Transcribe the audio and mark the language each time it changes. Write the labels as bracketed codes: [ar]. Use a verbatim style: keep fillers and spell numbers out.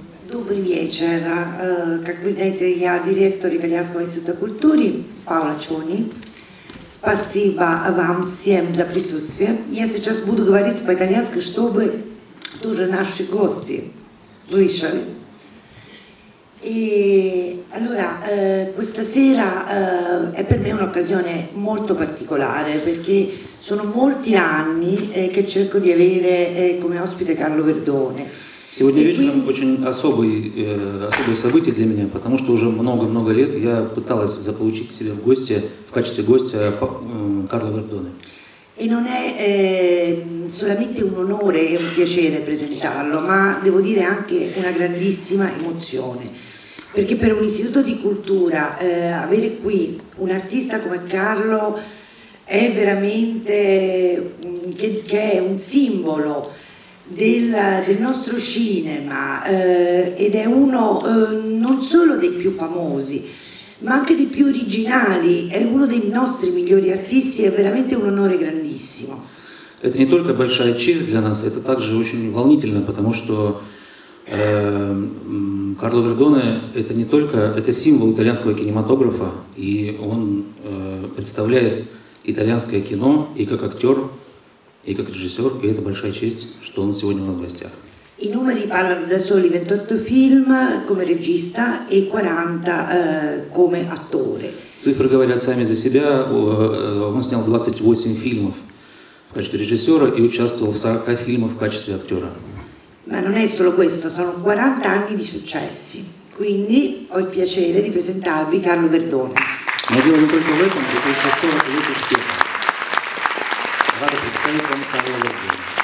[ru] Добрый вечер. Как вы знаете, я директор Итальянского института культуры Паула Чони. Спасибо вам всем за присутствие. Я сейчас буду говорить по-итальянски, чтобы тоже наши гости слышали. [it] E allora eh, questa sera eh, è per me un'occasione molto particolare perché sono molti anni eh, che cerco di avere eh, come ospite Carlo Verdone. [ru] Сегодня вечером очень особый, э, особое событие для меня, потому что уже много-много лет я пыталась заполучить к себе в гости, в качестве гостя э, Карло Вердоне. [it] E non è eh, solamente un onore e un piacere presentarlo, ma devo dire anche una grandissima emozione, perché per un istituto di cultura eh, avere qui un artista come Carlo è veramente che, che è un simbolo Del, del nostro cinema eh, ed è uno eh, non solo dei più famosi ma anche dei più originali, è uno dei nostri migliori artisti, è veramente un onore grandissimo. [ru] Это не только большая честь для нас, это также очень волнительно, потому что э, Карло Вердоне это не только это символ итальянского кинематографа, и он э, представляет итальянское кино и как актер, и как режиссер, и это большая честь, что он сегодня у нас в гостях. [it] I numeri parlano da soli, ventotto film come regista e quaranta eh, come attore. [ru] Цифры говорят сами за себя. Он снял двадцать восемь фильмов в качестве режиссера и участвовал в сорока фильмах в качестве актера. [it] Ma non è solo questo, sono quaranta anni di successi. Quindi ho il piacere di presentarvi Carlo Verdone. [ru] Но дело не только в этом, это еще сорок лет успеха. Рада представить вам Карло Вердоне.